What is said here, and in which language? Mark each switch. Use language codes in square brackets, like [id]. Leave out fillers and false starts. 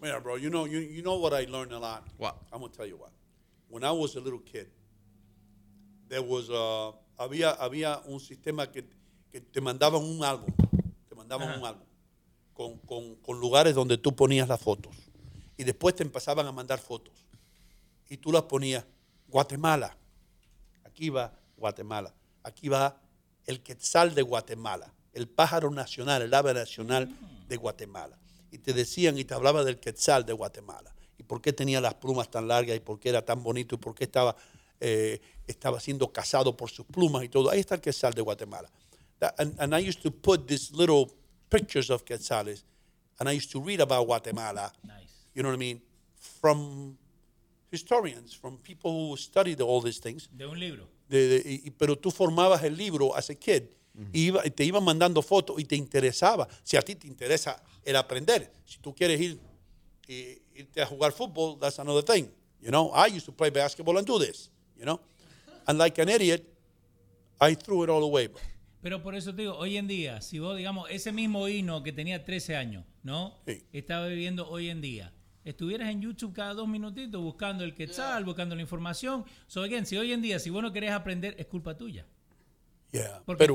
[en] Yeah, bro, you know what I learned a lot. What? I'm going to tell you what. When I was a little kid, there was a... [es] Había un sistema que te mandaban un álbum. Te mandaban un álbum. Con lugares donde tú ponías las fotos. Y después te empezaban a mandar fotos. Y tú las ponías. Guatemala. Aquí va Guatemala. Aquí va el Quetzal de Guatemala. El pájaro nacional, el ave nacional de Guatemala. Y te decían y te hablaba del Quetzal de Guatemala. Y por qué tenía las plumas tan largas y por qué era tan bonito y por qué estaba siendo cazado por sus plumas y todo. Ahí está el Quetzal de Guatemala. [en] And I used to put these little pictures of Quetzales and I used to read about Guatemala. Nice. You know what I mean? From historians, from people who studied all these things. [es] De un libro. Pero tú formabas el libro [en] as a kid. [es] Y te iban mandando fotos y te interesaba. Si a ti te interesa el aprender, si tú quieres irte a jugar fútbol, [en] that's another thing. You know, I used to play basketball and do this, you know. And like an idiot, I threw it all away. [es] Pero por eso te digo, hoy en día, si vos, digamos, ese mismo hino que tenía 13 años, ¿no? Sí. Estaba viviendo hoy en día. Estuvieras en YouTube cada dos minutitos buscando el Quetzal, yeah. Buscando la información. So again, si hoy en día, si vos no querés aprender, es culpa tuya. [en] Yeah, [es] porque pero,